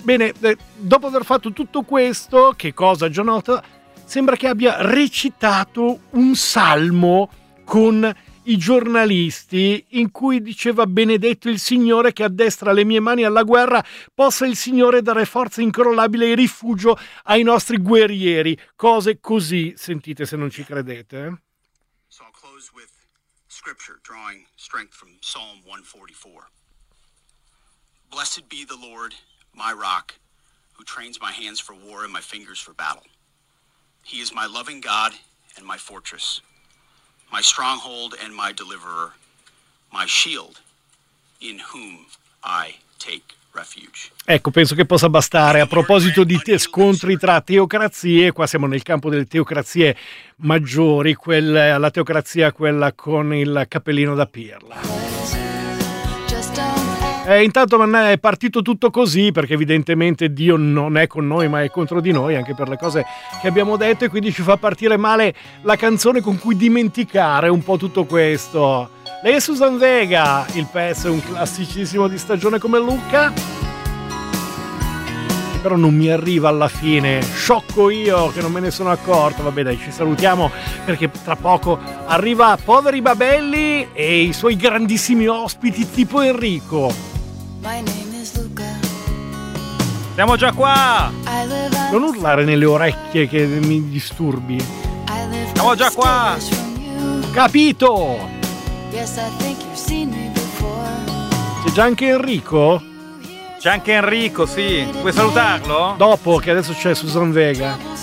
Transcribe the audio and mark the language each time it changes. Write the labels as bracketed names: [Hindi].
[Italian] Bene, dopo aver fatto tutto questo, che cosa già nota, sembra che abbia recitato un salmo con i giornalisti, in cui diceva: benedetto il Signore che addestra le mie mani alla guerra, possa il Signore dare forza incrollabile e rifugio ai nostri guerrieri. Cose così, sentite se non ci credete. [English] So I'll close with scripture, drawing strength from Psalm 144. Blessed be the Lord, my rock, who trains my hands for war and my fingers for battle. He is my loving God and my fortress, my stronghold and my deliverer, my shield, in whom I take refuge. [Italian] Ecco, penso che possa bastare. A proposito di scontri tra teocrazie, qua siamo nel campo delle teocrazie maggiori, la teocrazia quella con il cappellino da pirla. Intanto è partito tutto così perché evidentemente Dio non è con noi ma è contro di noi, anche per le cose che abbiamo detto, e quindi ci fa partire male la canzone con cui dimenticare un po' tutto questo. Lei è Susan Vega, il pezzo è un classicissimo di stagione come Lucca, però non mi arriva alla fine, sciocco io che non me ne sono accorto. Vabbè dai, ci salutiamo perché tra poco arriva Poveri Babelli e i suoi grandissimi ospiti tipo Enrico. [English] My name is Luca. [Italian] Siamo già qua. Non urlare nelle orecchie che mi disturbi. Siamo già qua. Capito. [English] Yes, I think you've seen me before. [Italian] C'è già anche Enrico? C'è anche Enrico, sì. Vuoi salutarlo? Dopo, che adesso c'è Susan Vega.